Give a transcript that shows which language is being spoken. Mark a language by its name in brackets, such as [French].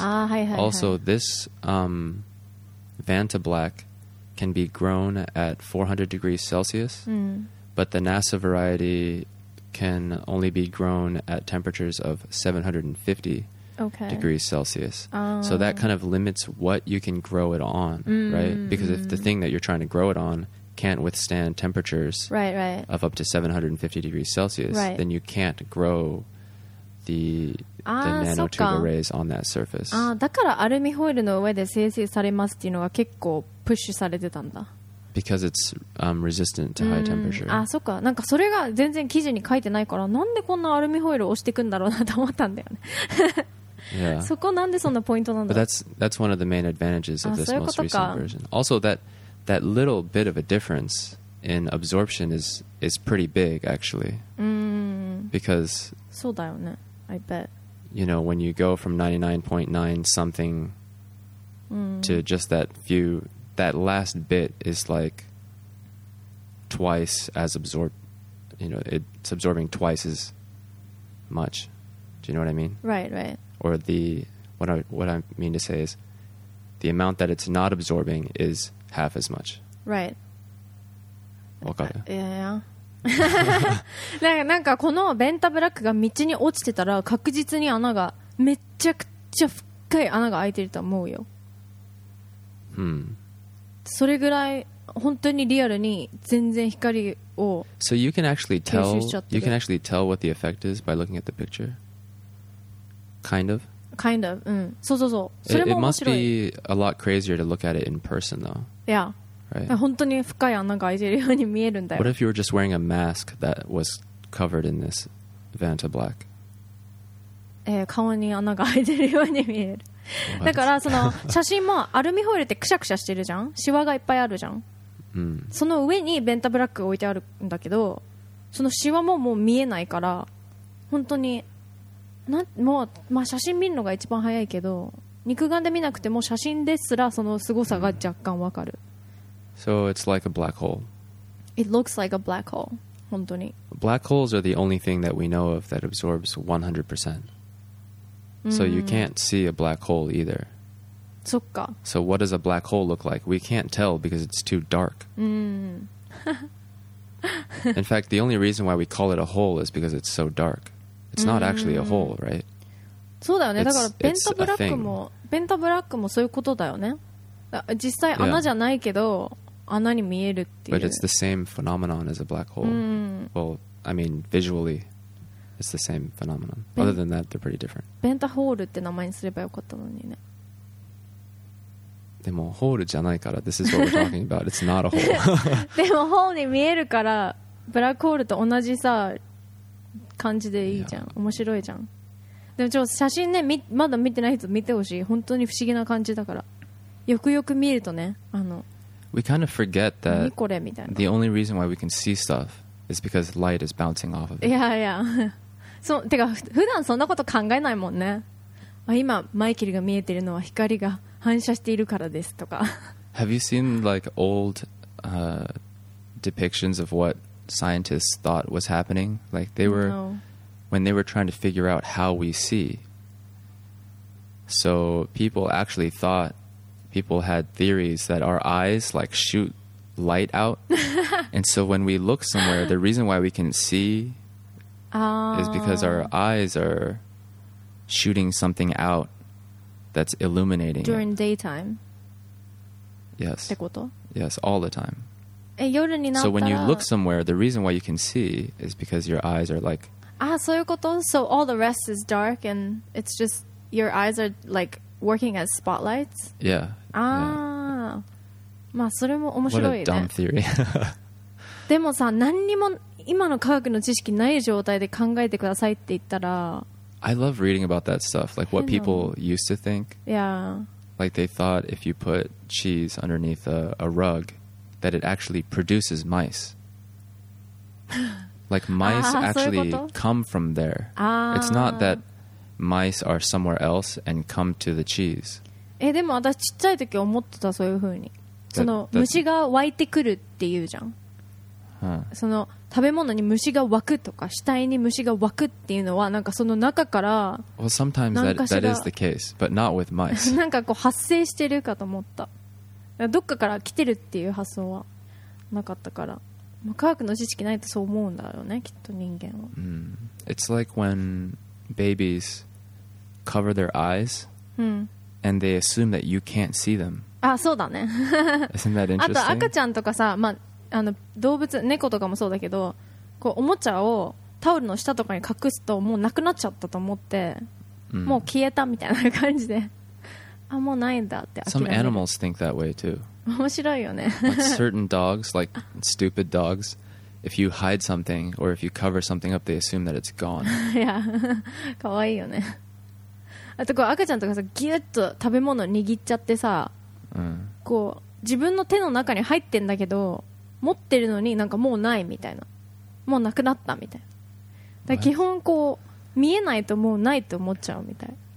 [English] Also, this Vanta Black can be grown at 400 degrees Celsius, but the NASA variety can only be grown at temperatures of 750 degrees Celsius. So that kind of limits what you can grow it on, right? Because if the thing that you're trying to grow it on can't withstand temperatures of up to 750 degrees Celsius, then you can't grow the nanotube arrays on that surface. [Japanese] あ、だからアルミホイルの上で生成されますっていうのが結構プッシュされてたんだ。 [English] Because it's resistant to high temperature. [Japanese] あ、そっか。なんかそれが全然記事に書いてないから、なんでこんなアルミホイルを押していくんだろうなと思ったんだよね。 [English] Yeah. [Japanese] そこなんでそんなポイントなんだ。 [English] But that's one of the main advantages of this most recent version. Also, that little bit of a difference in absorption is pretty big, actually. Because [Japanese] そうだよね。 [English] I bet. You know, when you go from 99.9 something to just that few, that last bit is like twice as absorb you know, it's absorbing twice as much. Do you know what I mean? Right, right. Or what I mean to say is the amount that it's not absorbing is half as much. Right. Yeah. [Japanese] なんかこのベンタブラックが道に落ちてたら確実に穴がめちゃくちゃ深い穴が開いてると思うよ。 Hmm. それぐらい本当にリアルに全然光を。 [English] So you can actually tell. You can actually tell what the effect is by looking at the picture. Kind of. Kind of. [Japanese] うん。そうそうそう。それも面白い。 [English] It must be a lot crazier to look at it in person, though. Yeah. Right. [Japanese] 本当に深い穴が開いているように見えるんだよ。 [English] What if you were just wearing a mask that was covered in this Vanta black? [Japanese] 顔に穴が開いているように見える。だからその写真もアルミホイルってくしゃくしゃしてるじゃん。シワがいっぱいあるじゃん。 Mm. その上にベンタブラック置いてあるんだけど、そのシワももう見えないから、本当にな、もう、まあ、写真見るのが一番早いけど、肉眼で見なくても写真ですらその凄さが若干わかる。 Mm. [English] So it's like a black hole. It looks like a black hole. [Japanese] 本当に。 [English] Black holes are the only thing that we know of that absorbs 100%. So you can't see a black hole either. [Japanese] そっか。 [English] So what does a black hole look like? We can't tell because it's too dark. In fact, the only reason why we call it a hole is because it's so dark. It's not actually a hole, right? [Japanese] そうだよね。だからベンタブラックも、ベンタブラックもそういうことだよね。実際穴じゃないけど、 [English] yeah. [Japanese] 穴に見えるっていう。 [English] But it's the same phenomenon as a black hole. Well, I mean, visually, it's the same phenomenon. Other than that, they're pretty different. [Japanese] ベンタホールって名前にすればよかったのにね。でもホールじゃないから、 [English] this is what we're talking about. It's not a hole. [Japanese] でもホールに見えるから、ブラックホールと同じさ感じでいいじゃん。 [English] Yeah. [Japanese] 面白いじゃん。でもちょっと写真ね、まだ見てない人見てほしい。本当に不思議な感じだから。よくよく見るとね、あの、 [English] We kind of forget that [Japanese] 何これみたいな。 [English] The only reason why we can see stuff is because light is bouncing off of it. [Japanese] いやいや。そう、てか普段そんなこと考えないもんね。あ、今マイケルが見えてるのは光が反射しているからですとか。 [English] Have you seen like old depictions of what scientists thought was happening? Like they were, when they were trying to figure out how we see. So people actually thoughtPeople had theories that our eyes like shoot light out. And so when we look somewhere, the reason why we can see is because our eyes are shooting something out that's illuminating. During it. Daytime? Yes. [Japanese] ってこと? [English] Yes, all the time. [Japanese] 夜になったら? [English] So when you look somewhere, the reason why you can see is because your eyes are like... [Japanese] Ah, そういうこと? [English] So all the rest is dark and it's just your eyes are like... Working as spotlights? Yeah. [Japanese] Ah. まあそれも面白いね。 [English] What a dumb theory. [Japanese] でもさ、何にも今の科学の知識ない状態で考えてくださいって言ったら、 [English] I love reading about that stuff. Like what people used to think. Yeah. Like they thought if you put cheese underneath a rug, that it actually produces mice. Like mice actually come from there. Ah. It's not that. Mice are somewhere else and come to the cheese. [Japanese] でも私ちっちゃい時思ってたそういう風に。その虫が湧いてくるっていうじゃん。 Huh. その食べ物に虫が湧くとか死体に虫が湧くっていうのはなんかその中から。 [English] Well, sometimes that is the case, but not with mice. [Japanese] なんかこう発生してるかと思った。どっかから来てるっていう発想はなかったから。科学の知識ないとそう思うんだよね、きっと人間は。 [English] It's like when... Babies cover their eyes and they assume that you can't see them. [Japanese] Ah, そうだね。 [English] Isn't that interesting? [Japanese] あと赤ちゃんとかさ、まあ、あの動物、猫とかもそうだけど、こうおもちゃをタオルの下とかに隠すともうなくなっちゃったと思って、もう消えたみたいな感じで、あ、もうないんだって。 [English] Some animals think that way too. [Japanese] 面白いよね。 [English] Like certain dogs, like stupid dogs. If you hide something or if you cover something up, they assume that it's gone. [Japanese] Yeah, かわいいよね。あとこう赤ちゃんとかさ、ぎゅっと食べ物握っちゃってさ、こう自分の手の中に入ってんだけど、持ってるのになんかもうないみたいな、もうなくなったみたいな。だ基本こう見えないともうないと思っちゃうみたい。